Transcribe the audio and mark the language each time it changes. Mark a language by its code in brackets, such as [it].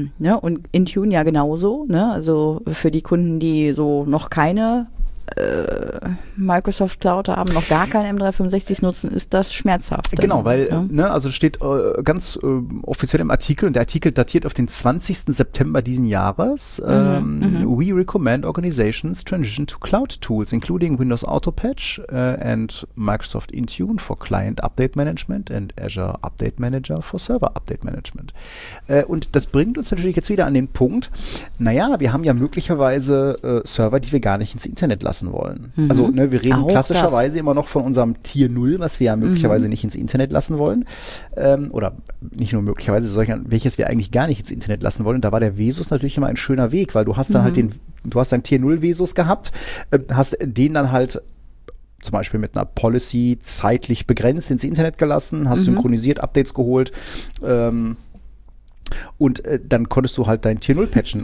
[de] Ja, und Intune ja genauso, ne? Also für die Kunden, die so noch keine Microsoft Cloud haben, noch gar kein M365 nutzen, ist das schmerzhaft. Genau, weil, ja? Ne, also steht ganz offiziell im Artikel, und der Artikel datiert auf den 20. September diesen Jahres. [en] We recommend organizations transition to cloud tools, including Windows Auto Patch and Microsoft Intune for Client Update Management and Azure Update Manager for Server Update Management. [de] Und das bringt uns natürlich jetzt wieder an den Punkt, naja, wir haben ja möglicherweise Server, die wir gar nicht ins Internet lassen wollen. Mhm. Also ne, wir reden auch klassischerweise immer noch von unserem Tier 0, was wir ja möglicherweise nicht ins Internet lassen wollen. Oder nicht nur möglicherweise, sondern welches wir eigentlich gar nicht ins Internet lassen wollen. Und da war der Vesus natürlich immer ein schöner Weg, weil du hast dann halt du hast dann Tier 0 Vesus gehabt, hast den dann halt zum Beispiel mit einer Policy zeitlich begrenzt ins Internet gelassen, hast synchronisiert Updates geholt, und dann konntest du halt dein Tier 0 patchen.